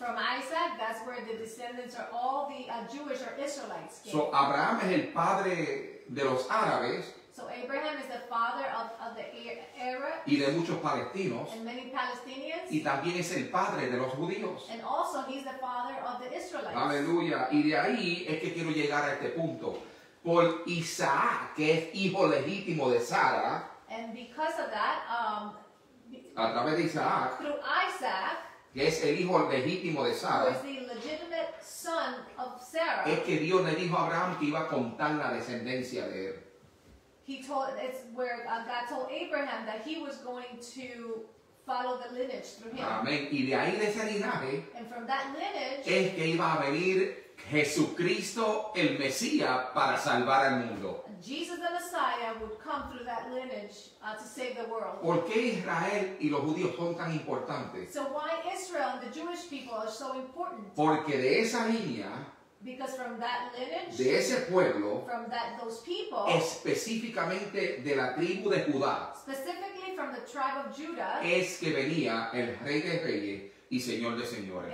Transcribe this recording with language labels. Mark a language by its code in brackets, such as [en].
[en] From Isaac, that's where the descendants are all the Jewish or Israelites came. [es] So Abraham es el padre de los árabes. [en] So Abraham is the father of the Arabs. [es] Y de muchos palestinos. [en] And many Palestinians. [es] Y también es el padre de los judíos. [en] And also he's the father of the Israelites. [es] Aleluya. Y de ahí es que quiero llegar a este punto. Por Isaac, que es hijo legítimo de Sara. [en] And because of that, [es] a través de Isaac, [en] through Isaac, [es] que es el hijo legítimo de Sara, [en] who is the legitimate son of Sarah, [es] es que Dios le dijo a Abraham que iba a contar la descendencia de él. [en] He told, it's where God told Abraham that he was going to follow the lineage through him. [es] Amén. Y de ahí de ese linaje, [en] and from that lineage, [es] es que iba a venir Jesucristo el Mesías para salvar al mundo. [en] Jesus the Messiah would come through that lineage to save the world. [es] ¿Por qué Israel y los judíos son tan importantes? [en] So why Israel and the Jewish people are so important? [es] Porque de esa línea, [en] because from that lineage, [es] de ese pueblo, [en] from that, those people, [es] específicamente de la tribu de Judá, [en] specifically from the tribe of Judah, [es] es que venía el Rey de Reyes y Señor de señores.